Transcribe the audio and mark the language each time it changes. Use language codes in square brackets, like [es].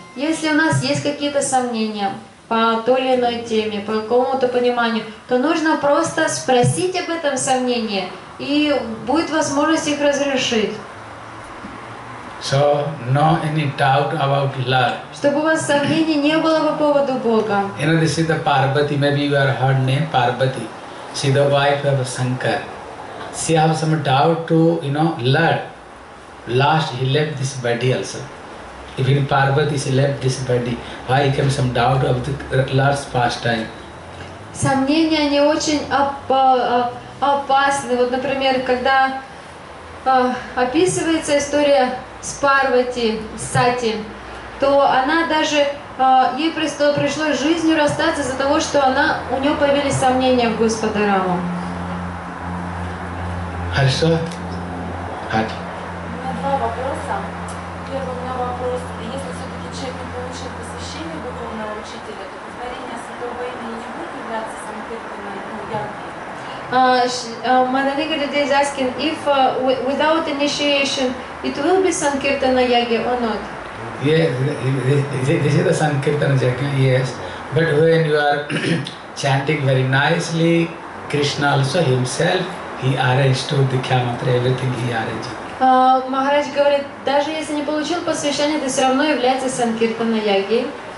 [ru] Если у нас есть какие-то сомнения, по той или иной теме, по какому-то пониманию, то нужно просто спросить об этом сомнении, и будет возможность их разрешить. [en] So, no any doubt about love. [ru] Чтобы у вас сомнений не было по поводу Бога. [en] You know, this is the Parvati, maybe you have heard name Parvati. She's the wife of Shankar. She has some doubt to, you know, Lord. Last, he left this body also. Even Parvati is left this body. Why came some doubt of the Lord's pastime? [ru] Сомнения, они очень опасны. Вот, например, когда описывается история с Парвати, с Сати, то она даже, ей пришлось жизнью расстаться из-за того, что она, у нее появились сомнения в Господа Раму. Хорошо? Хати. У меня два вопроса. Первый у меня вопрос. Если все-таки человек не получил посвящение духовного учителя, то повторение святого имени не будет являться санкиртаной, ну, яркой? [en] Манали Гададе is asking, if without initiation, it will be Sankirtana Yagya or not? Yes, this is the Sankirtana Yagya, yes. But when you are chanting very nicely, Krishna also himself, he arranged to the Kyamatra, everything he arranged. [ru] Махарадж говорит, даже если не получил посвящение, ты все равно является Sankirtana Yagya.